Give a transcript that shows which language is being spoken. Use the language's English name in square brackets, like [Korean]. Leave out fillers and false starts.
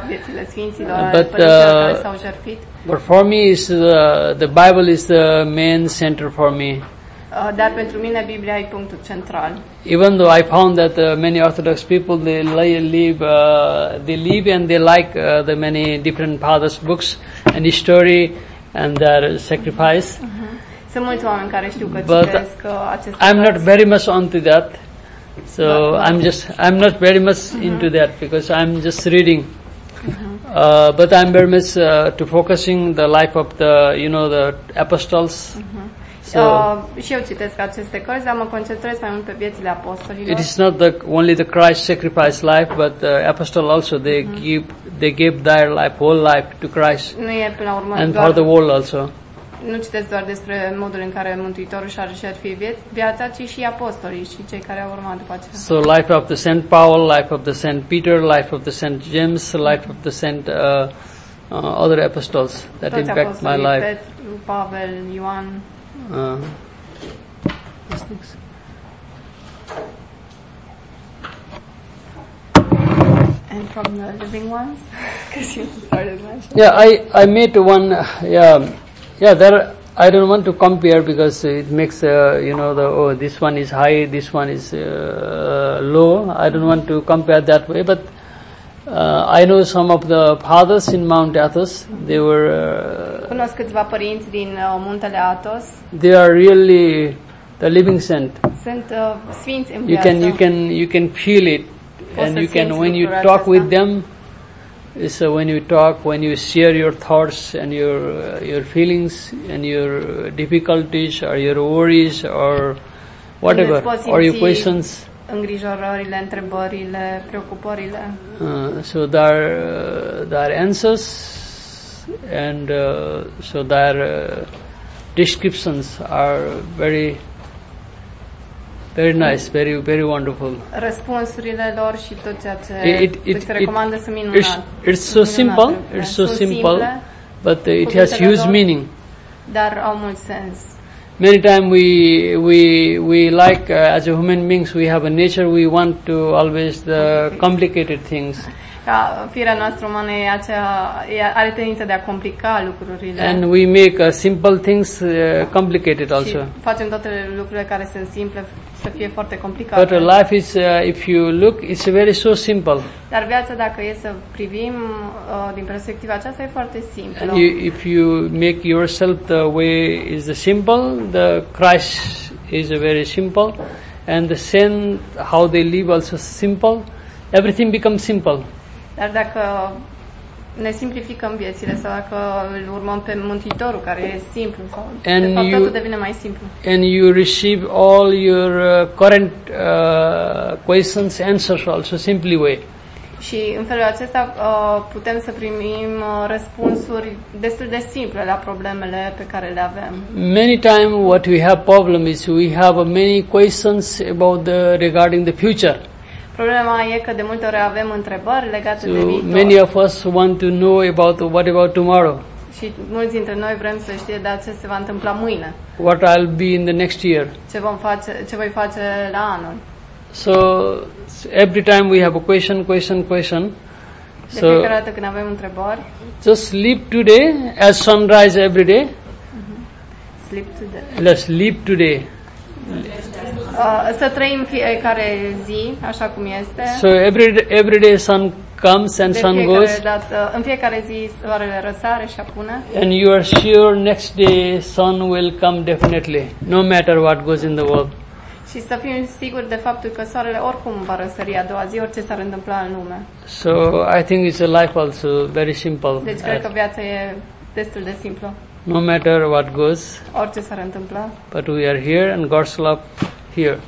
[English] But for me, is the Bible is the main center for me. [Romanian] Dar pentru mine Biblia e punctul central. [English] Even though I found that many Orthodox people they live and they like the many different fathers' books and history and their sacrifice. Uh-huh. [Romanian] Sunt mulți oameni care știu că citesc aceste [English] cărți. I'm not very much onto that. So I'm not very much uh-huh. into that because I'm just reading. Uh-huh. But I'm very much to focusing the life of the you know the apostles. Uh-huh. [Romanian] Și eu citesc aceste cărți, dar mă concentrez mai mult pe viețile apostolilor. [English] It is not the only the Christ sacrificed life, but the apostle also they mm-hmm. give their life, whole life to Christ. [Romanian] Nu e până la urmă [English] and [Romanian] doar, [English] for the world also. [Romanian] Nu citesc doar despre modul în care Mântuitorul și-a jertfit viața, ci și apostolii și cei care au urmat după aceea. [English] So life of the Saint Paul, life of the Saint Peter, life of the Saint James, life of the Saint other apostles that [Romanian] toți [English] impact my life. [Romanian] Petru, Pavel, Ioan. [English] And from the living ones, because you started mentioning. Yeah, I met one. Yeah. There, I don't want to compare because it makes you know the oh this one is high, this one is low. I don't want to compare that way. But I know some of the fathers in Mount Athos. They were. [Romanian] Cunosc câțiva părinți din Muntele Athos. [English] They are really the living saint. [Romanian] Sunt sfinți în viață. [English] You can feel it, and you can when you talk with them. It's when you talk, when you share your thoughts and your feelings and your difficulties or your worries or whatever or your questions. [Romanian] Îngrijorările, întrebările, preocupările. [English] So their answers and so their descriptions are very very nice, very very wonderful. [Romanian] Răspunsurile lor și tot ceea ce îți recomandă sunt minunate. [English] It's so simple, but it has huge meaning. [Romanian] Dar au mult sens. [English] Many times we like as a human beings we have a nature we want to always the complicated things. [Romanian] Ca firea noastră umană e acea, are tendința de a complica lucrurile. [English] And we make simple things complicated also. [Romanian] Și facem toate lucrurile care sunt simple să fie foarte complicate. [English] But life is if you look it's very so simple. [Romanian] Dar viața dacă e să privim din perspectiva aceasta e foarte simplă. [English] And you, if you make yourself the way is the simple, the Christ is very simple and the saint how they live also simple. Everything becomes simple. [Romanian] Dar dacă ne simplificăm viețile sau dacă îl urmăm pe Mântuitorul care e simplu sau [English] and [Romanian] de fapt [English] you, [Romanian] totul devine mai simplu. [English] And you receive all your current questions answers also simply way. [Romanian] Și în felul acesta putem să primim răspunsuri destul de simple la problemele pe care le avem. [English] Many times what we have problem is we have many questions about the regarding the future. [Romanian] Problema e că de multe ori avem întrebări legate [English] so [Romanian] de viitor. [English] Many of us want to know about what about tomorrow. [Romanian] Și mulți dintre noi vrem să știe de ce se va întâmpla mâine. [English] What I'll be in the next year. [Romanian] Ce voi face la anul. [English] So every time we have a question. [Romanian] De fiecare dată când avem întrebări. [English] Just sleep today as sunrise every day. Sleep today. Let's sleep today. [Romanian] Să trăim fiecare zi așa cum este. [English] So every day sun comes and sun goes. [Romanian] În fiecare zi soarele răsare și apune. [English] And you are sure next day sun will come definitely, no matter what goes in the world. [Romanian] Și să fim siguri de faptul că soarele oricum va răsări a doua zi, orice s-ar întâmpla în lume. [English] So I think it's a life also very simple. [Romanian] Deci cred că viața e destul de simplă. [English] no matter what goes. [Romanian] Orice s-ar întâmpla. [English] But we are here and God's love here.